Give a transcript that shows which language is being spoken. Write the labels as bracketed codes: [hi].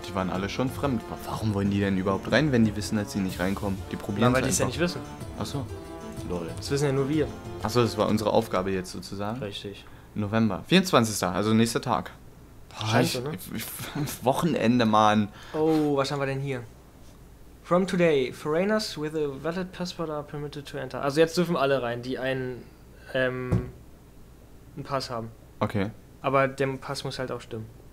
[de] Die waren alle schon fremd. Warum wollen die denn überhaupt rein, wenn die wissen, dass sie nicht reinkommen? Die probieren es. Weil die es ja nicht wissen. Achso. Lol. Das wissen ja nur wir. Achso, das war unsere Aufgabe jetzt sozusagen. Richtig. November. 24. Also nächster Tag. Scheiße, ne? Wochenende, Mann. Oh, was haben wir denn hier? [en] From today, foreigners with a valid passport are permitted to enter. [de] Also jetzt dürfen alle rein, die einen Pass haben. Okay. Aber der Pass muss halt auch stimmen.